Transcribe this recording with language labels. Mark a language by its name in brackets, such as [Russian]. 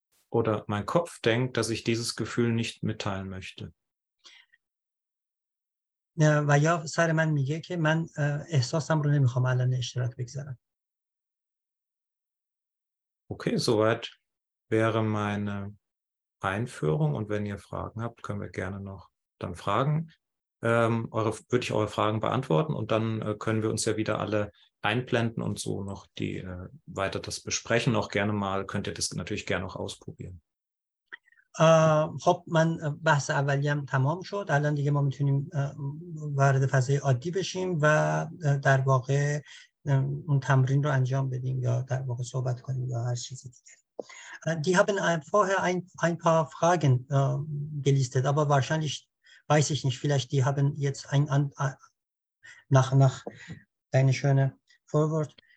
[German] Oder mein Kopf denkt, dass ich dieses Gefühl nicht mitteilen möchte. [Persian] و یا سر من میگه که من احساسم رو نمیخوام الان اشتراک بگذارم. [German] Okay, soweit wäre meine Einführung und wenn ihr Fragen habt, können wir gerne noch dann fragen. Würde ich eure Fragen beantworten und dann können wir uns ja wieder alle einblenden und so noch die weiter das besprechen. Auch gerne mal könnt ihr das natürlich gerne noch ausprobieren. [Persian] خب من بحث اولی هم تمام شد، الان دیگه ما میتونیم وارد فضای عادی بشیم و در واقع اون تمرین رو انجام بدیم یا در واقع صحبت کنیم یا هر چیزی دیگه. [German] Die haben vorher ein paar Fragen gelistet, aber wahrscheinlich weiß ich nicht, vielleicht die haben jetzt ein nach deine schöne Vorwort.